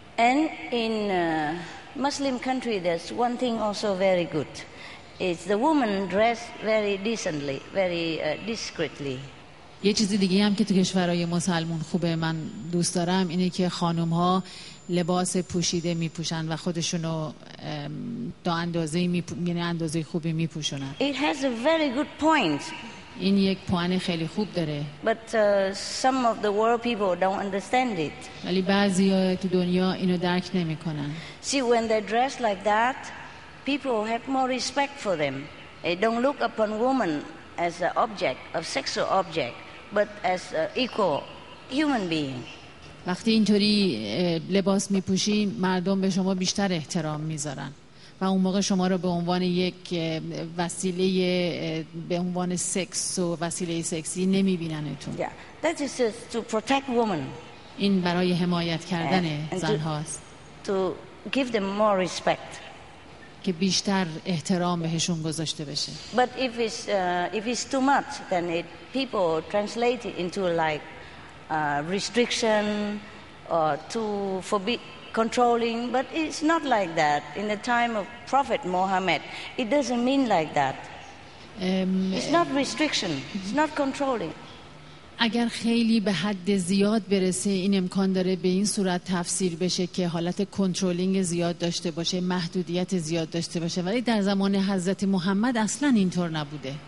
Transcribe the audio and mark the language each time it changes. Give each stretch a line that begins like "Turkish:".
English: And in Muslim country there's one thing also very good. It's the woman dress very decently, very discreetly.
Persian: یه چیز دیگه هم که تو کشورهای مسلمان خوبه من دوست دارم اینه که خانم‌ها لباس پوشیده می‌پوشن و خودشونو تا اندازه‌ای یعنی اندازه خوبی می‌پوشونن.
English: It has a very good point.
Persian: این یک پوان خیلی خوب داره.
English: But some of the world people don't understand it.
Persian: ولی بعضی تو دنیا اینو درک نمی‌کنن.
English: See when they dress like that people have more respect for them. They don't look upon women as an object, a sexual object, but as an equal human being.
Persian: وقتی اینطوری لباس می‌پوشی، مردم به شما بیشتر احترام می‌ذارن و اون موقع شما رو به عنوان یک وسیله به عنوان سکس و وسیله سکسی نمی‌بیننتون.
English: Yeah. That is just to protect women.
Persian: این برای حمایت کردن زن‌هاست.
English: To give them more respect.
Persian: که بیشتر احترام بهشون گذاشته بشه.
English: But if it's too much, then it people translate it into like restriction or too forbid controlling. But it's not like that. In the time of Prophet Muhammad, it doesn't mean like that. It's not restriction. It's not controlling.
Persian: اگر خیلی به حد زیاد برسه این امکان داره به این صورت تفسیر بشه که حالت کنترلینگ زیاد داشته باشه، محدودیت زیاد داشته باشه، ولی در زمان حضرت محمد اصلا اینطور نبوده.